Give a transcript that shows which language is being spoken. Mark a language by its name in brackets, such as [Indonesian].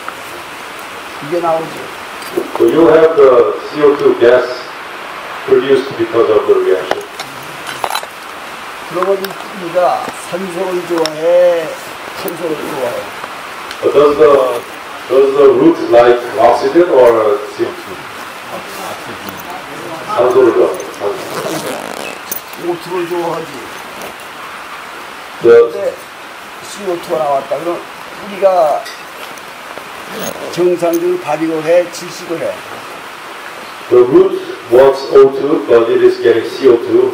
[English] So you have the CO2 gas produced because of the reaction. [Korean] 그러면 우리가 산소를 좋아해, 산소를 좋아해. [English] But does the root like oxygen or CO2? [Korean] 산소를 좋아해. 오토를 좋아하지. 그런데 CO2가 나왔다. 그럼 우리가 정상적으로 발육을 해, 질식을 해. [English] The root wants O2, but it is getting CO2.